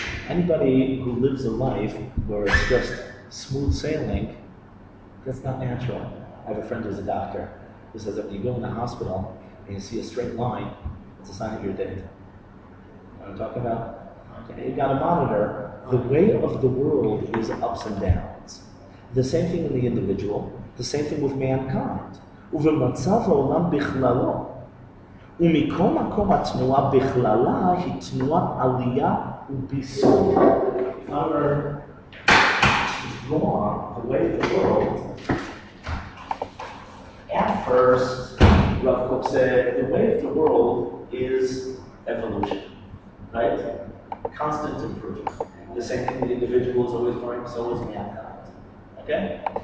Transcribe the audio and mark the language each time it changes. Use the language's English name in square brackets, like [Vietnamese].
[English] Anybody who lives a life where it's just smooth sailing, that's not natural. I have a friend who's a doctor who says that when you go in the hospital and you see a straight line, it's a sign that you're dead. You know what I'm talking about? You got a monitor. The way of the world is ups and downs. The same thing with the individual, the same thing with mankind. [Hebrew] ובמצב העולם בכללו, ומכל מקום התנועה בכללה היא תנועה עלייה וביסור. [English] However, the way of the world, at first, Rav Kook said, the way of the world is evolution, right? Constant improvement. The same thing, the individual is always growing, so is mankind. Okay?